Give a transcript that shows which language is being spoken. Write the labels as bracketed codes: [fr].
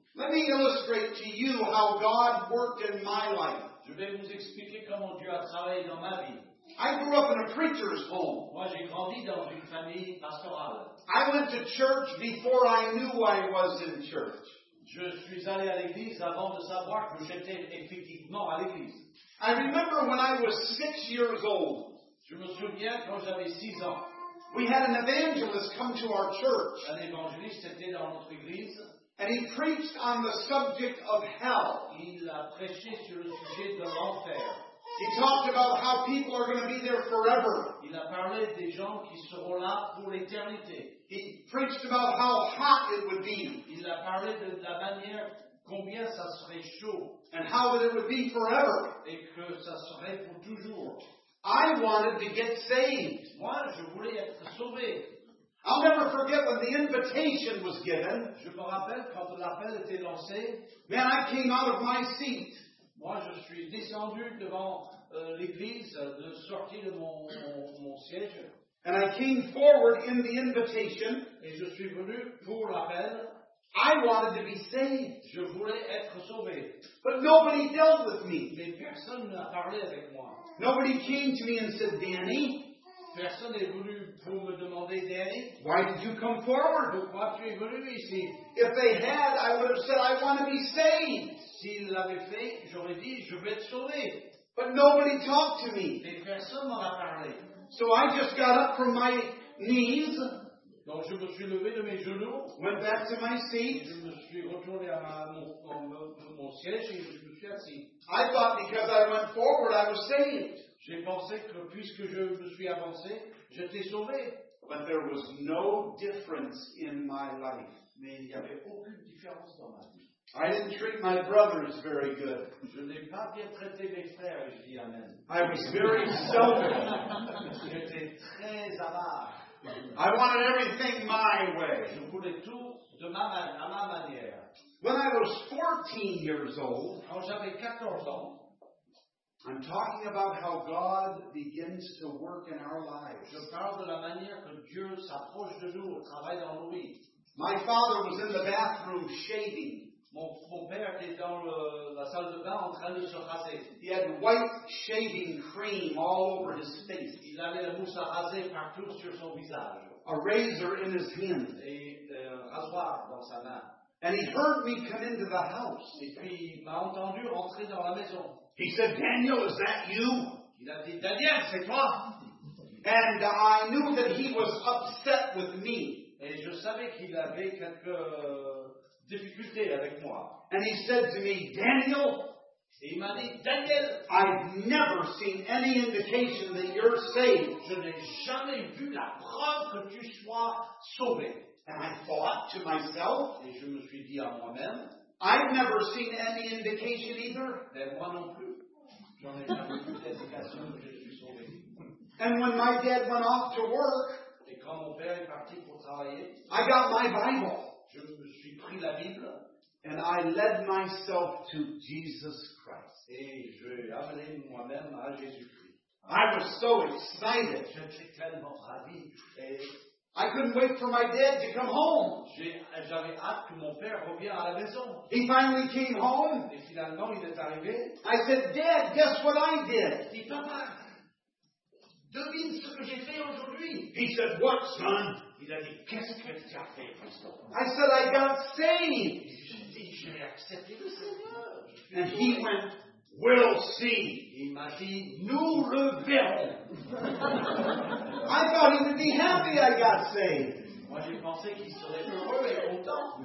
[en] Let me illustrate to you how God worked in my life. [fr] Je vais vous expliquer comment Dieu a travaillé dans ma vie. [en] I grew up in a preacher's home. [fr] Moi, j'ai grandi dans une famille pastorale. [en] I went to church before I knew I was in church. [fr] Je suis allé à l'église avant de savoir que j'étais effectivement à l'église. [en] I remember when I was 6 years old. [fr] Je me souviens quand j'avais 6 ans. [en] We had an evangelist come to our church. [fr] Un évangéliste était dans notre église. [en] And he preached on the subject of hell. [fr] Il a prêché sur le sujet de l'enfer. [en] He talked about how people are going to be there forever. [fr] Il a parlé des gens qui seront là pour l'éternité. [en] He preached about how hot it would be. [fr] Il a parlé de la manière combien ça serait chaud. [en] And how that it would be forever. [fr] Et que ça serait pour toujours. [en] I wanted to get saved. [fr] Moi, je voulais être sauvé. [en] I'll never forget when the invitation was given. [fr] Je me rappelle quand l'appel était lancé. [en] Man, I came out of my seat. [fr] Moi, je suis descendu devant l'église, de sortir de mon siège. [en] And I came forward in the invitation. [fr] Et je suis venu pour l'appel. [en] I wanted to be saved. [fr] Je voulais être sauvé. [en] But nobody dealt with me. [fr] Mais personne n'a parlé avec moi. [en] Nobody came to me and said, Danny. [fr] Personne n'est venu pour me demander, Danny. [en] Why did you come forward? [fr] Pourquoi tu es venu ici? [en] If they had, I would have said, I want to be saved. [fr] S'ils l'avaient fait, j'aurais dit, je vais être sauvé. [en] But nobody talked to me. [fr] Mais personne m'en a parlé. [en] So I just got up from my knees. [fr] Donc je me suis levé de mes genoux. [en] Went back to my seat. [fr] Je me suis retourné à mon siège et je me suis assis. [en] I thought because I went forward, I was saved. [fr] J'ai pensé que puisque je me suis avancé, j'étais sauvé. [en] But there was no difference in my life. [fr] Mais il n'y avait aucune différence dans ma vie. [en] I didn't treat my brothers very good. [fr] Je n'ai pas bien traité mes frères, je dis amen. [en] I was very selfish. [fr] J'étais très avare. [en] I wanted everything my way. [fr] Je voulais tout de ma manière. [en] When I was 14 years old, [fr] quand j'avais 14 ans, [en] I'm talking about how God begins to work in our lives. [fr] Je parle de la manière que Dieu s'approche de nous, travaille dans nos vies. [en] My father was in the bathroom shaving. [fr] Mon père était dans la salle de bain en train de se raser. [en] He had white shaving cream all over his face. [fr] Il avait la mousse à raser partout sur son visage. [en] A razor in his hand. [fr] Et un rasoir dans sa main. [en] And he heard me come into the house. [fr] Et puis il m'a entendu entrer dans la maison. [en] He said, Daniel, is that you? [fr] Il a dit, Daniel, c'est toi. [en] And I knew that he was upset with me. [fr] Et je savais qu'il avait quelques difficulté avec moi. [en] And he said to me, Daniel, [fr] il m'a dit, Daniel, [en] I've never seen any indication that you're saved. [fr] Je n'ai jamais vu la preuve que tu sois sauvé. [en] And I thought to myself, [fr] et je me suis dit à moi-même, [en] I've never seen any indication either. [fr] Et moi non plus. J'en ai jamais vu d'indication que je suis sauvé. [en] And when my dad went off to work, [fr] et quand mon père est parti pour travailler, [en] I got my Bible. [fr] Je me suis pris la Bible. [en] And I led myself to Jesus Christ. [fr] Et je l'ai amené moi-même à Jésus-Christ. [en] I was so excited. [fr] J'étais tellement ravi. [en] I couldn't wait for my dad to come home. [fr] J'avais hâte que mon père revienne à la maison. [en] He finally came home. [fr] Et finalement, il est arrivé. [en] I said, Dad, guess what I did? [fr] Dis, papa, devine ce que j'ai fait aujourd'hui. [en] He said, what, son? [fr] Il a dit, qu'est-ce que tu as fait, Christophe? [en] I said, I got saved. [fr] J'ai accepté le Seigneur. [en] And he went, we'll see. [fr] Il dit, nous le verrons. [en] I thought he would be happy I got saved. [fr] Moi, j'ai pensé qu'il serait heureux et content.